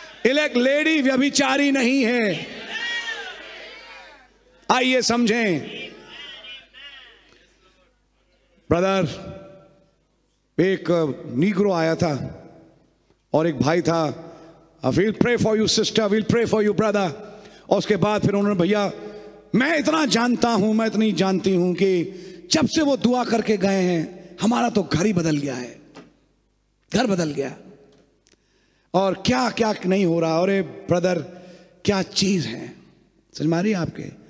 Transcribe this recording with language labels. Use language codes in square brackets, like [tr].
[hi] Elect lady व्यभिचारी नहीं है, आइए समझें। ब्रदर एक नीग्रो आया था और एक भाई था. [en] I will pray for you sister, I will pray for you brother. [hi] और उसके बाद फिर उन्होंने भैया मैं इतना जानता हूं, मैं इतनी जानती हूं कि जब से वो दुआ करके गए हैं हमारा तो घर ही बदल गया है, घर बदल गया और क्या क्या नहीं हो रहा. और ए ब्रदर क्या चीज है, समझ मारी आपके.